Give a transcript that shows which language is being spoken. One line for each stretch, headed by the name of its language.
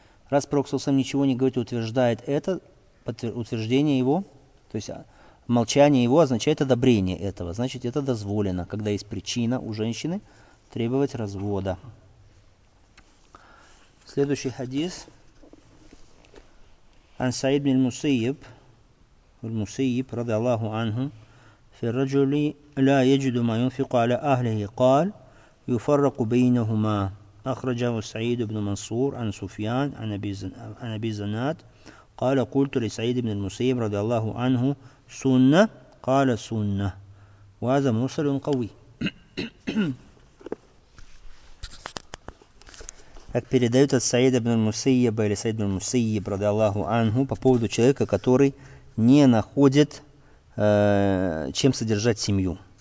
Russian: Раз пророк саллаллаху алейхи ва саллям ничего не говорит и утверждает это, утверждение его, то есть молчание его означает одобрение этого. Значит, это дозволено, когда есть причина у женщины требовать развода. Следующий хадис. Ан Саид бин Мусайб, аль-Мусайб, радиаллаху анху,
Arabic: في الرجل لا يجد ما ينفق على أهله قال يفرق بينهما أخرجه سعيد بن منصور عن سفيان عن أبي زناد قال قلت لسعيد بن المسيب رضي الله عنه سنة قال سنة وهذا مرسل قوي.
Russian: Как передают от Саида ибн Мусейба или Саида ибн Мусейб, ради Аллаху Анху, по поводу человека, который не находит, чем содержать семью.